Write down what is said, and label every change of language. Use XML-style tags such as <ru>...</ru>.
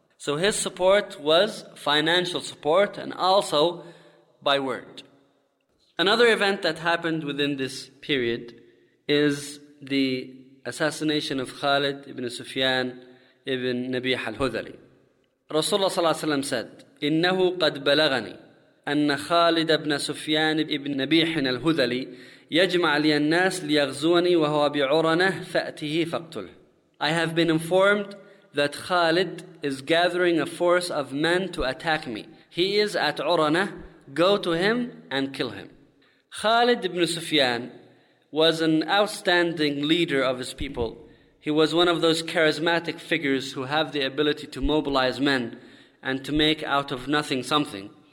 <en>So his support was financial support and also by word. Another event that happened within this period is the assassination of Khalid ibn Sufyan ibn Nabih al-Hudhali.</en> <ar>Rasulullah صلى الله عليه وسلم said, إِنَّهُ قَدْ بَلَغَنِي أن خالد بن سفيان بن نبيح الهذلي يجمع لي الناس ليغزوني وهو بعرنه فأته فاقتله.</ar> <en>I have been informed that Khalid is gathering a force of men to attack me. He is at عرنه. Go to him and kill him. Khalid ibn Sufyan was an outstanding leader of his people. He was one of those charismatic figures who have the ability to mobilize men and to make out of nothing something.</en>